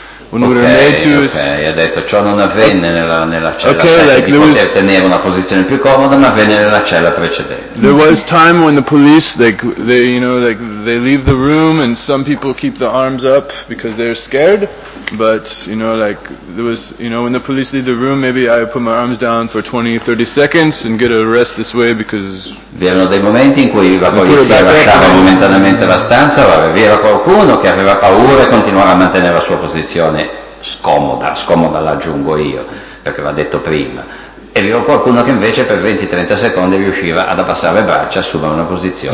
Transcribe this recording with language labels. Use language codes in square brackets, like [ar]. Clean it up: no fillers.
[it] Ha detto ciò non avvenne nella cella tenere una posizione più comoda, ma avvenne nella cella precedente. [en] There was time when the police, they leave the room and some people keep the arms up because they're scared. But when the police leave the room, maybe I put my arms down for 20-30 seconds and get a rest this way because. [it] Vi erano dei momenti in cui la polizia lasciava momentaneamente la stanza, vi era qualcuno che aveva paura e continuava a mantenere la sua posizione scomoda l'aggiungo io, perché va detto prima. E aveva qualcuno che invece per 20-30 secondi riusciva ad abbassare le braccia, assumere una posizione.